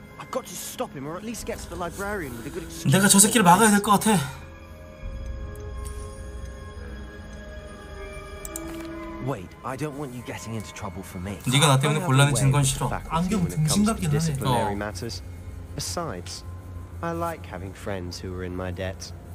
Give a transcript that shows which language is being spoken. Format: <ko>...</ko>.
<en>I've got to stop him or at least get to the librarian with a good excuse.</en> <ko>내가 저 새끼를 막아야 될 것 같아. 네가 나 때문에 곤란해 지는 건 싫어. 안경 등심 같긴 하네. 어.</ko> <en>Besides, I like having friends who are in my debt.</en>